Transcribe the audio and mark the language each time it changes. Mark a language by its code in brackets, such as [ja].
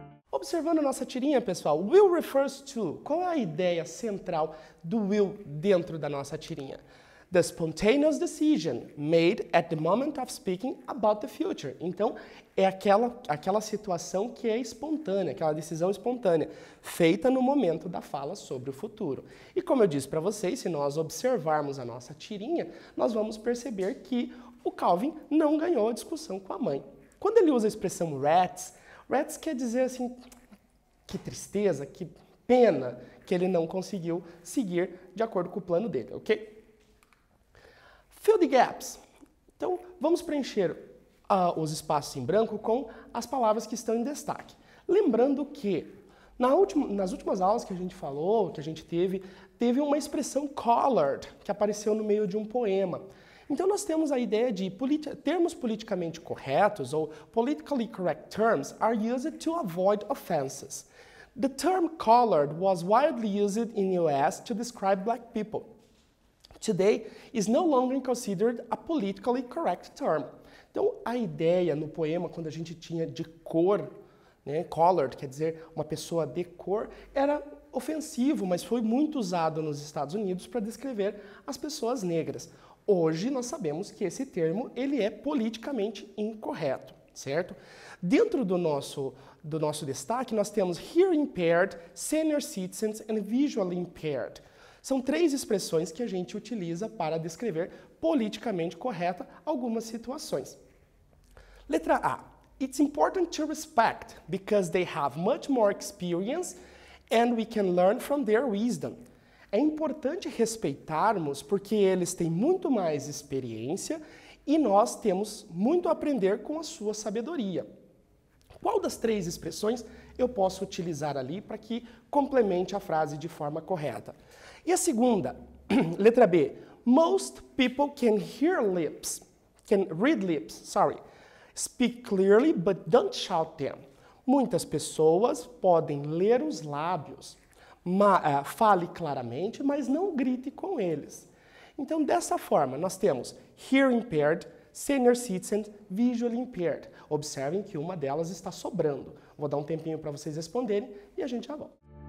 [pt] observando a nossa tirinha, pessoal, [en] will refers to, [pt] qual é a ideia central do will dentro da nossa tirinha? [en] The spontaneous decision made at the moment of speaking about the future. [pt] Então, é aquela situação que é espontânea, aquela decisão espontânea, feita no momento da fala sobre o futuro. E como eu disse para vocês, se nós observarmos a nossa tirinha, nós vamos perceber que o Calvin não ganhou a discussão com a mãe. Quando ele usa a expressão rats, rats quer dizer assim, que tristeza, que pena que ele não conseguiu seguir de acordo com o plano dele, ok? [en] Fill the gaps. [pt] Então, vamos preencher os espaços em branco com as palavras que estão em destaque. Lembrando que, nas últimas aulas que a gente falou, que a gente teve uma expressão colored, que apareceu no meio de um poema. Então, nós temos a ideia de termos politicamente corretos, ou [en] politically correct terms, are used to avoid offenses. The term colored was widely used in the US to describe black people. Today is no longer considered a politically correct term. [pt] Então, a ideia no poema, quando a gente tinha de cor, né, colored, quer dizer, uma pessoa de cor, era ofensivo, mas foi muito usado nos Estados Unidos para descrever as pessoas negras. Hoje, nós sabemos que esse termo, ele é politicamente incorreto, certo? Dentro do nosso destaque, nós temos [en] hearing impaired, senior citizens and visually impaired. [pt] São três expressões que a gente utiliza para descrever politicamente correta algumas situações. Letra A. [en] It's important to respect because they have much more experience and we can learn from their wisdom. [pt] É importante respeitarmos porque eles têm muito mais experiência e nós temos muito a aprender com a sua sabedoria. Qual das três expressões eu posso utilizar ali para que complemente a frase de forma correta? E a segunda, letra B, [en] most people can read lips, speak clearly, but don't shout them. [pt] Muitas pessoas podem ler os lábios, fale claramente, mas não grite com eles. Então, dessa forma, nós temos [en] hearing impaired, senior citizens, visually impaired. [pt] Observem que uma delas está sobrando. Vou dar um tempinho para vocês responderem e a gente já volta.